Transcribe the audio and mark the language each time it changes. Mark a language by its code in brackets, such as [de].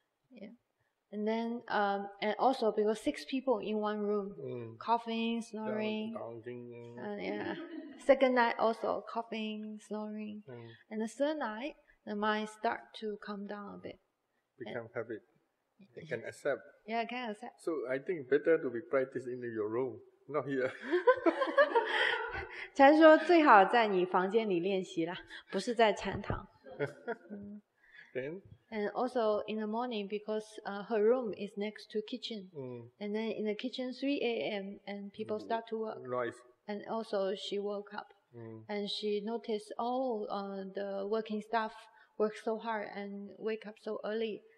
[en] Yeah, and then and also because six people in one room, coughing, snoring. Yeah. Second night also coughing, snoring, and the third night the mind start to calm down a bit. Become habit. You can accept. Yeah, can accept. So I think better to be practicing in your room, not here. [zh] 禅说最好在你房间里练习啦，不是在禅堂。 [en] Then and also in the morning because her room is next to kitchen. And then in the kitchen 3 a.m. and people start to work. Noise. And also she woke up. And she noticed all the working staff work so hard and wake up so early.